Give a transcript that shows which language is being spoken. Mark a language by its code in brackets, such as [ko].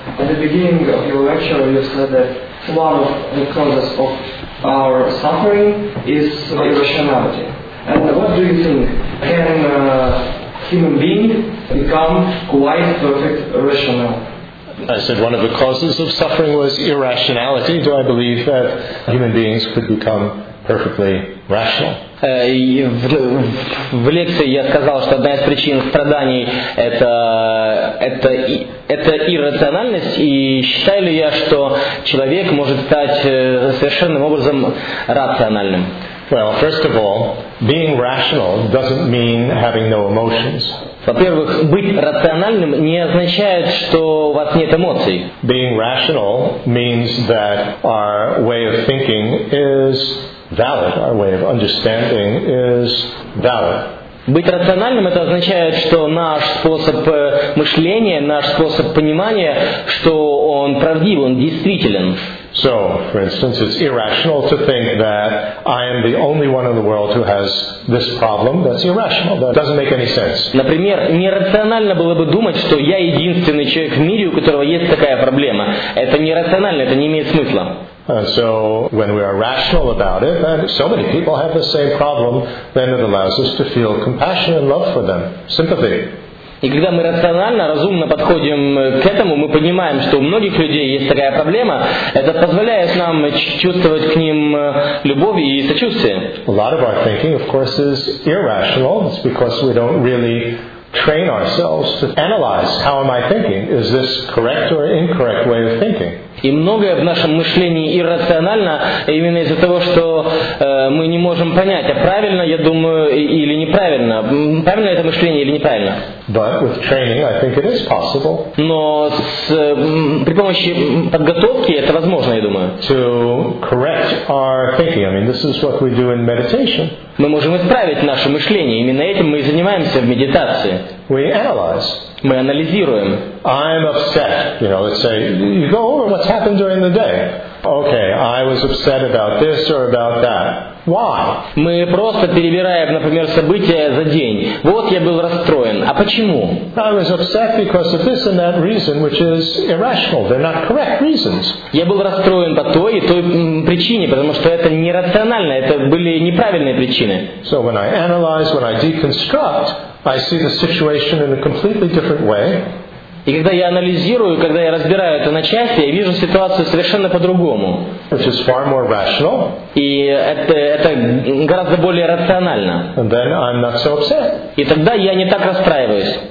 [en] At the beginning of your lecture, you said that one of the causes of our suffering is irrationality. And what do you think? Can a human being become quite perfect rational? I said one of the causes of suffering was irrationality. Do I believe that human beings could become perfectly rational? [ru] в лекции я сказал, что одна из причин страданий это иррациональность, и считаю ли я, что человек может стать совершенным образом рациональным? [en] Well, first of all, being rational doesn't mean having no emotions. [ru] Во-первых, быть рациональным не означает, что у вас нет эмоций. [en] Being rational means that our way of thinking is valid, our way of understanding is valid. [ru] Быть рациональным — это означает, что наш способ мышления, наш способ понимания, что он правдив, он действителен. [en] So, for instance, it's irrational to think that I am the only one in the world who has this problem. That's irrational. That doesn't make any sense. [ru] Например, нерационально было бы думать, что я единственный человек в мире, у которого есть такая проблема. Это нерационально, это не имеет смысла. [en] And so, when we are rational about it, and so many people have the same problem, then it allows us to feel compassion and love for them, sympathy. [ru] И когда мы рационально, разумно подходим к этому, мы понимаем, что у многих людей есть такая проблема, это позволяет нам чувствовать к ним любовь и сочувствие. [en] A lot of our thinking, of course, is irrational. It's because we don't really train ourselves to analyze how am I thinking? Is this correct or incorrect way of thinking? [ru] И многое в нашем мышлении иррационально именно из-за того, что мы не можем понять, а правильно я думаю или неправильно. Правильно это мышление или неправильно? [en] But with training, I think it is possible. [ru] Но при помощи подготовки это возможно, я думаю. [en] To correct our thinking. I mean, this is what we do in meditation. [ru] Мы можем исправить наше мышление. Именно этим мы и занимаемся в медитации. [en] We analyze. [ru] Мы анализируем. [en] I'm upset. You know, let's say, you go over what's happened during the day. Okay, I was upset about this or about that. Why? [ru] Мы просто перебираем, например, события за день. Вот я был расстроен. А почему? [en] I was upset because of this and that reason, which is irrational. They're not correct reasons. [ru] Я был расстроен по той и той причине, потому что это нерационально. Это были неправильные причины. [en] So when I analyze, when I deconstruct, I see the situation in a completely different way. [ru] И когда я анализирую, когда я разбираю это на части, я вижу ситуацию совершенно по-другому. [en] Which is far more rational. [ru] И это гораздо более рационально. [en] And then I'm not so upset. [ru] И тогда я не так расстраиваюсь.